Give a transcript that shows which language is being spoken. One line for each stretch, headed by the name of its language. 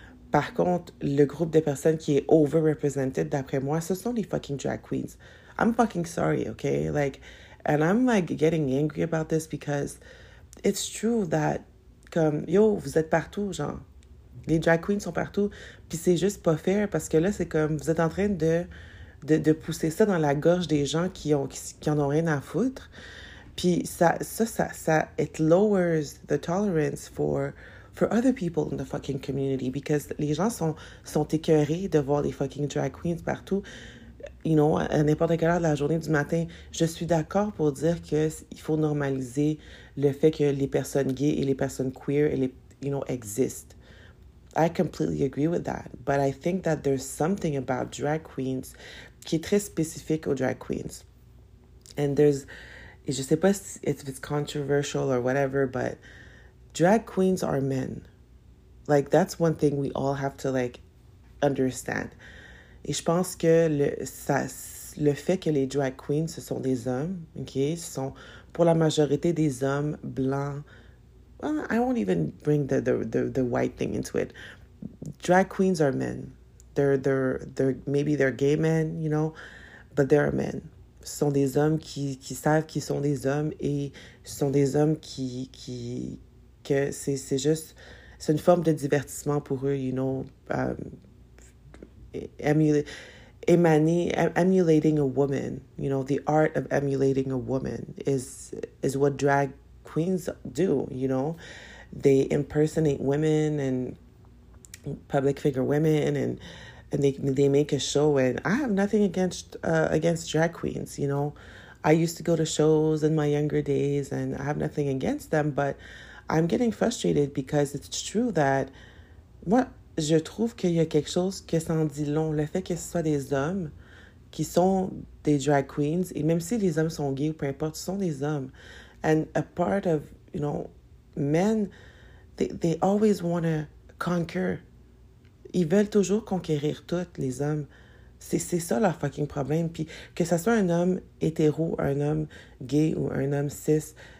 French: Par contre, le groupe de personnes qui est overrepresented, d'après moi, ce sont les fucking drag queens.
English: I'm fucking sorry, okay? Like, and I'm like getting angry about this because it's true that,
French: comme, yo, vous êtes partout, genre. Les drag queens sont partout. Puis c'est juste pas fair parce que là, c'est comme, vous êtes en train de pousser ça dans la gorge des gens qui en ont rien à foutre. Puis ça,
English: it lowers the tolerance for other people in the fucking community, because
French: les gens sont écœurés de voir les fucking drag queens partout,
English: you know,
French: à n'importe quelle heure de la journée, du matin. Je suis d'accord pour dire qu'il faut normaliser le fait que les personnes gays et les personnes queer, et les,
English: you know,
French: existent.
English: I completely agree with that. But I think that there's something about drag queens
French: qui est très spécifique aux drag queens.
English: And there's,
French: je sais pas si,
English: if it's controversial or whatever, but drag queens are men. Like, that's one thing we all have to, like, understand.
French: Et je pense que le fait que les drag queens, ce sont des hommes, OK? Ce sont, pour la majorité, des hommes blancs.
English: Well, I won't even bring the white thing into it. Drag queens are men. Maybe they're gay men, you know? But they are men.
French: Ce sont des hommes qui savent qu'ils sont des hommes, et ce sont des hommes qui que c'est juste, c'est une forme de divertissement pour eux,
English: you know, emulating a woman, you know,
French: the art of emulating a woman is what drag queens do, you know.
English: They impersonate women and public figure women, and they make a show, and I have nothing against drag queens, you know. I used to go to shows in my younger days, and I have nothing against them, but I'm getting frustrated because it's true that,
French: moi, je trouve qu'il y a quelque chose que ça en dit long. Le fait que ce soit des hommes qui sont des drag queens, et même si les hommes sont gays ou peu importe, ce sont des hommes.
English: And a part of, you know, men, they always want to conquer.
French: Ils veulent toujours conquérir tout, les hommes. C'est ça leur fucking problème. Puis que ce soit un homme hétéro, un homme gay ou un homme cis.